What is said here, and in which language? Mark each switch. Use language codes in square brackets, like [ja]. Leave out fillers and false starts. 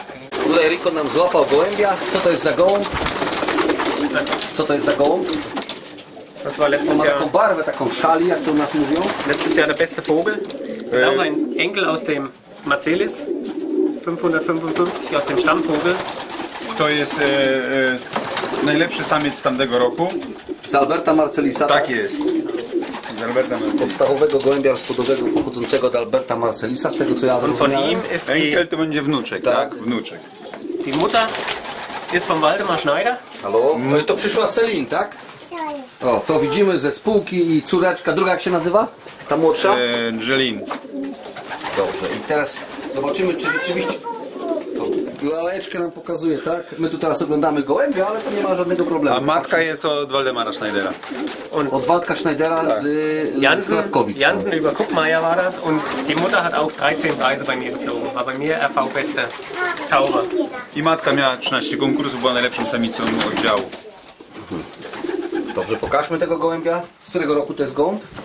[pl] Tutaj Rico nam złapał gołębia, co to jest za gołąb? Co to jest za gołąb? To ma taką barwę, taką szali, jak to u nas mówią. [de] Letztes Jahr der beste Vogel. Ist auch ein Enkel aus dem Marcelis. 555 aus dem Stammvogel. [pl] To jest najlepszy samiec z tamtego roku. Z Alberta Marcelisa. Tak jest. Z Alberta Marcelisa. Podstawowego gołębia rozpodowego pochodzącego od Alberta Marcelisa, z tego co ja zrozumiałem. Enkel to będzie wnuczek, tak? Wnuczek. [de] Die Mutter ist von Waldemar Schneider. [pl] Halo? No i to przyszła Celine, tak? O, to widzimy ze spółki i córeczka. Druga jak się nazywa? Ta młodsza? Jelin. Dobrze, i teraz zobaczymy, czy rzeczywiście... To laleczkę nam pokazuje, tak? My tu teraz oglądamy gołębia, ale to nie ma żadnego problemu. A matka jest od Waldemara Schneidera. Od Waldka Schneidera, tak. Z Jansen. [de] Jansen über Kuppmeier war das. Und die Mutter hat auch 13 Preise bei mir geflogen. War bei mir RV beste Taucher. [pl] I matka miała 13 konkursów, była najlepszą samicą oddziału. Dobrze, pokażmy tego gołębia. Z którego roku to jest gołąb?